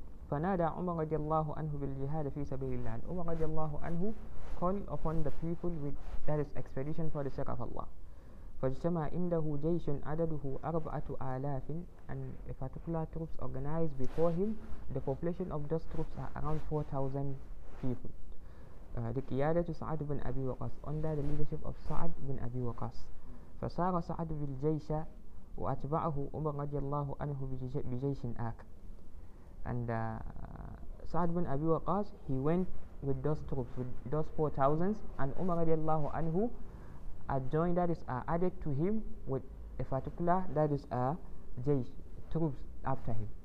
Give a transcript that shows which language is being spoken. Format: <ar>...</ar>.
<ar>فنادى عمر رضي الله عنه بالجهاد في سبيل الله.</ar> <en>عمر رضي الله عنه called upon the people with that is expedition for the sake of Allah.</en> <ar>فاجتمع عنده جيش عدده 4,000</ar> <en>and a particular troops organized before him. The population of those troops are around 4,000 people.</en> <ar>لقيادة سعد بن أبي وقاص,</ar> <en>under the leadership of</en> <ar>سعد بن أبي وقاص. فسار سعد بالجيش وأتبعه عمر رضي الله عنه بجيش آخر.</ar> <en>And سعد بن أبي وقاص, he went with those troops, with those 4,000, and عمر رضي الله عنه adjoined, that is added to him with a particular, that is jaysh, troops after him.</en>